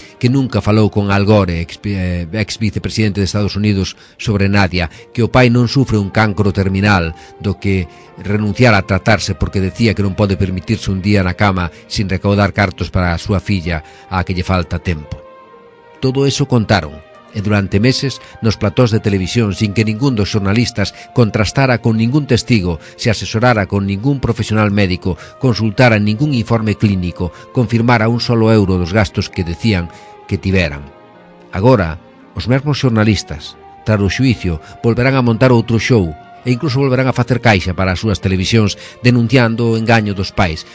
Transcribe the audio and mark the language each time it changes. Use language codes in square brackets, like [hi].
[gl] Que nunca falou con Al Gore, ex-vicepresidente de Estados Unidos, sobre Nadia. Que o pai non sufre un cancro terminal do que renunciara a tratarse porque decía que non pode permitirse un día na cama sin recaudar cartos para a súa filla á que lle falta tempo. [es] Todo eso contaron. [gl] E durante meses nos platós de televisión, sin que ningún dos xornalistas contrastara con ningún testigo, se asesorara con ningún profesional médico, consultara ningún informe clínico, confirmara un solo euro dos gastos que decían que tiveran. Agora, os mesmos xornalistas, tras o xuicio, volverán a montar outro show e incluso volverán a facer caixa para as súas televisións denunciando o engaño dos pais.